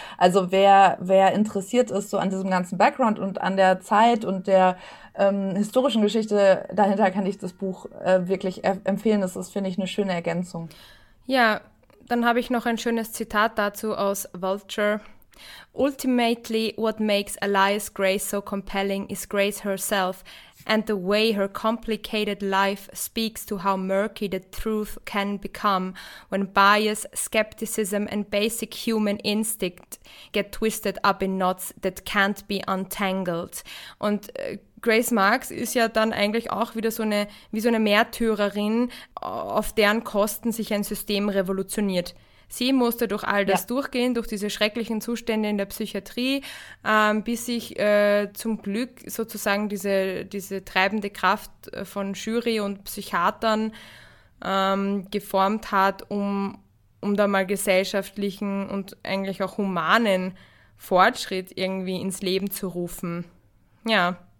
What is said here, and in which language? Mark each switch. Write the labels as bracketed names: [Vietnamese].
[German] Also wer interessiert ist so an diesem ganzen Background und an der Zeit und der historischen Geschichte dahinter, kann ich das Buch wirklich empfehlen. Das ist, finde ich, eine schöne Ergänzung. Ja, dann habe ich noch ein schönes Zitat dazu aus Vulture. [English] Ultimately, what makes Elias Grace so compelling is Grace herself and the way her complicated life speaks to how murky the truth can become when bias, skepticism and basic human instinct get twisted up in knots that can't be untangled. [German] Und Grace Marks ist ja dann eigentlich auch wieder so eine, wie so eine Märtyrerin, auf deren Kosten sich ein System revolutioniert. Sie musste durch all das durchgehen, durch diese schrecklichen Zustände in der Psychiatrie, bis sich zum Glück sozusagen diese treibende Kraft von Jury und Psychiatern geformt hat, um da mal gesellschaftlichen und eigentlich auch humanen Fortschritt irgendwie ins Leben zu rufen. Ja.